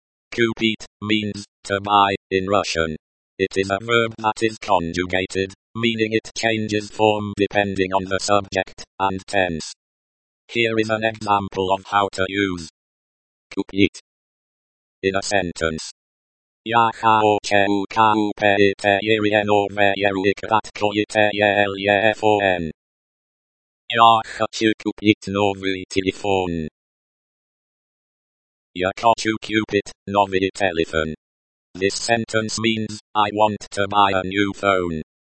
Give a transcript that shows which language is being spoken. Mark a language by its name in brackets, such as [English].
[English] Купить means to buy in Russian. It is a verb that is conjugated, meaning it changes form depending on the subject and tense. Here is an example of how to use [Russian] купить [English] in a sentence. [Russian] Я хочу купить новое краткое телефон. Я хочу купить новый телефон. Я хочу купить новый телефон. [English] This sentence means, I want to buy a new phone.